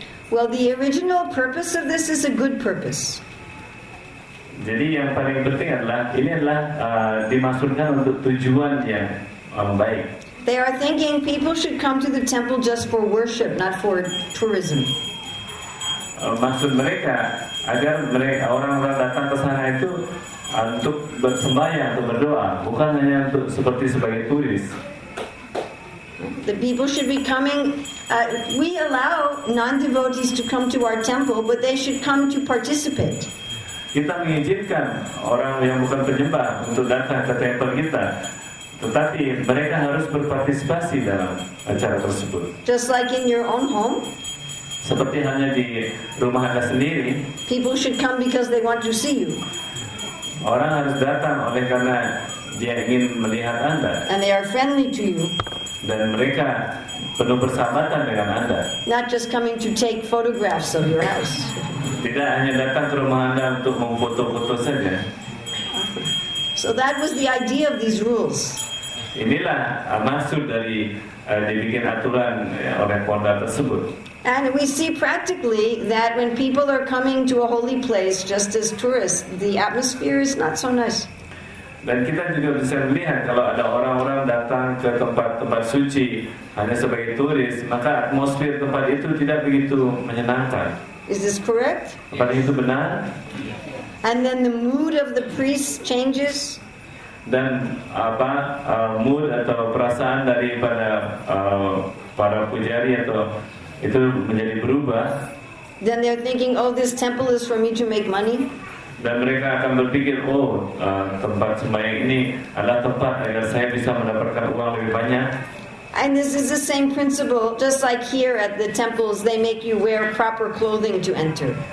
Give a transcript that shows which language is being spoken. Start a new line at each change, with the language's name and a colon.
English: Well, the original purpose of this is a good purpose.
Indonesian: Jadi yang paling penting adalah ini adalah dimaksudkan untuk tujuan yang baik.
English: They are thinking people should come to the temple just for worship, not for tourism.
Indonesian: Maksud mereka agar mereka orang-orang datang ke sana itu untuk bersembahyang atau berdoa, bukan hanya untuk seperti sebagai turis.
English: The people should be coming. We allow non-devotees to come to our temple, but they should come to participate.
Indonesian: Kita mengizinkan orang yang bukan penyembah untuk datang ke temple kita, tetapi mereka harus berpartisipasi dalam acara tersebut.
English: Just like in your own home.
Indonesian: Seperti hanya di rumah anda sendiri.
English: People should come because they want to see you.
Indonesian: Orang harus datang oleh karena dia ingin melihat anda.
English: And they are friendly to you.
Indonesian: Dan mereka penuh persahabatan dengan anda.
English: Not just coming to take photographs of your house.
Indonesian: Tidak hanya datang ke rumah anda untuk memfoto-foto saja.
English: So that was the idea of these rules.
Indonesian: Inilah maksud dari dibikin aturan oleh panda tersebut.
English: And we see practically that when people are coming to a holy place just as tourists, the atmosphere is not so nice.
Indonesian: Dan kita juga bisa melihat kalau ada orang-orang datang ke tempat-tempat suci hanya sebagai turis, maka atmosfer tempat itu tidak begitu menyenangkan.
English: Is this correct?
Indonesian: Apakah itu benar?
English: And then the mood of the priest changes.
Indonesian: Dan apa mood atau perasaan daripada para pujari atau itu menjadi berubah.
English: Then they're thinking, oh, this temple is for me to make money.
Indonesian: Dan mereka akan berpikir, oh, tempat sembahyang ini adalah tempat agar saya bisa mendapatkan uang lebih banyak.
English: And this is the same principle, just like here at the temples, they make you wear proper clothing to enter.